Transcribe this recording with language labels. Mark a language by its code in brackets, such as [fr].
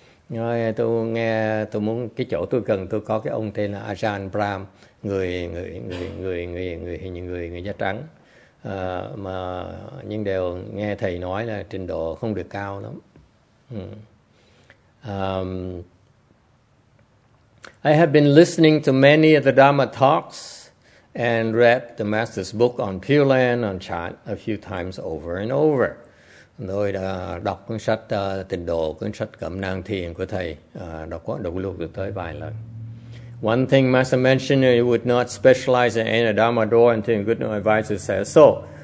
[vi] Rồi tôi nghe, tôi muốn cái chỗ tôi cần, tôi có cái ông tên là Ajahn Brahm, người da trắng. Mà nhưng đều nghe thầy nói là trình độ không được cao lắm. [en] I have been listening to many of the Dharma talks and read the Master's book on Pure Land on Chan a few times over and over. [vi] Tôi đã đọc cuốn sách tình độ, cuốn sách cẩm nang thiền của thầy, đọc lục được tới vài lần. [en] One thing Master mentioned, he would not specialize in any Dharma door until a good advisor says so.